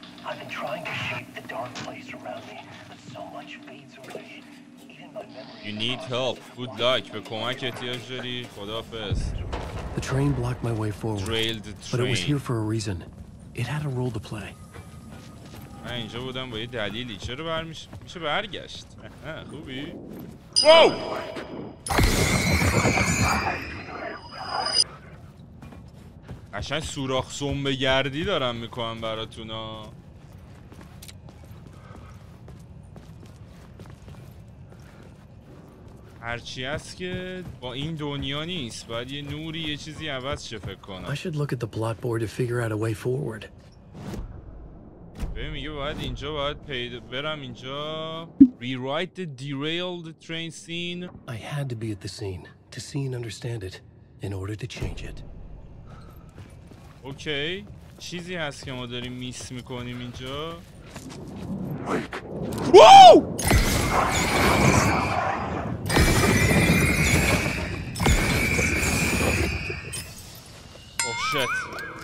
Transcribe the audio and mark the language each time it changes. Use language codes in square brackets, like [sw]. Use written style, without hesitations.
[en] I've been trying to shape the dark place around me, but so much fades away. Even my memory. You need help. Good luck. [fa] به کمک احتیاج داری. خدافظ. [en] The train blocked my way forward. Trailed the train. But it was here for a reason. It had a role to play. [fa] من اینجا بودم با یه دلیلی. چرا میشه برگشت؟ خوبی؟ واو! قشنگ سوراخ سنبه گردی دارم میکنم براتونا. هرچی هست که با این دنیا نیست، باید یه نوری یه چیزی عوض شه فکر کنم. [en] I should look at the blackboard to figure out a way forward. [fa] ببین میگه باید اینجا باید پیدا برم اینجا. [en] Rewrite the derailed train scene. I had to be at the scene to see and understand it in order to change it. [fa] اوکی چیزی هست که ما داریم میس میکنیم اینجا. واو اوه شت.